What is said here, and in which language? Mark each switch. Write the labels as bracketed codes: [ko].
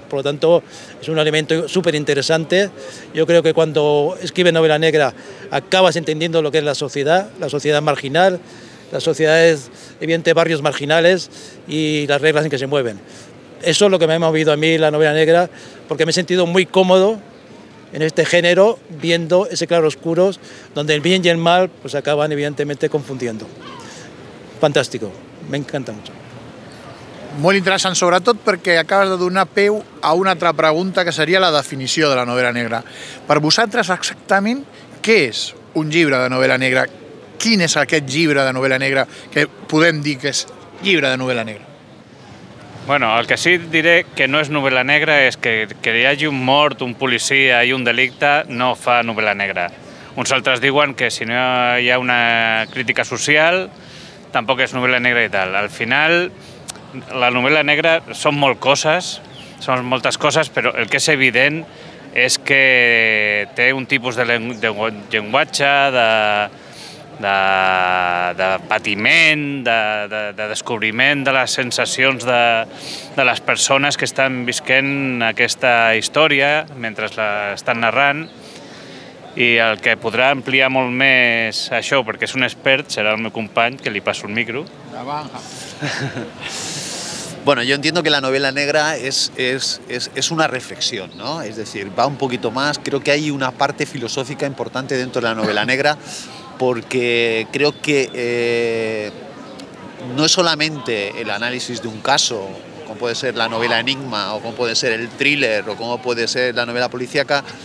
[es] Por lo tanto, es un elemento súper interesante. Yo creo que cuando escribes novela negra acabas entendiendo lo que es la sociedad marginal, las sociedades, evidentemente, barrios marginales y las reglas en que se mueven. Eso es lo que me ha movido a mí la novela negra, porque me he sentido muy cómodo en este género, viendo ese claroscuros donde el bien y el mal pues acaban evidentemente confundiendo. Fantástico, me encanta mucho. [ca] Molt interessant, sobretot perquè acabes de donar peu a una altra pregunta, que seria la definició de la novela negra. Per vosaltres, exactament què és un llibre de novela negra? Quin és aquest llibre de novela negra que podem dir que és llibre de novela negra? Bueno, el que sí diré que no és novel·la negra és que hi hagi un mort, un policia i un delicte no fa novel·la negra. Uns altres diuen que si no hi ha una crítica social tampoc és novel·la negra i tal. Al final, la novel·la negra són molt coses, són moltes coses, però el que és evident és que té un tipus de llenguatge, de patiment, de descobriment de les sensacions de les persones que estan vivint aquesta història mentre l'estan narrant, i el que podrà ampliar molt més això, perquè és un expert, serà el meu company, que li passo el micro. [es] Bueno, yo entiendo que la novela negra es una reflexión, ¿no? Es decir, va un poquito más. Creo que hay una parte filosófica importante dentro de la novela negra, porque creo que no es solamente el análisis de un caso, como puede ser la novela enigma, o como puede ser el thriller, o como puede ser la novela policíaca.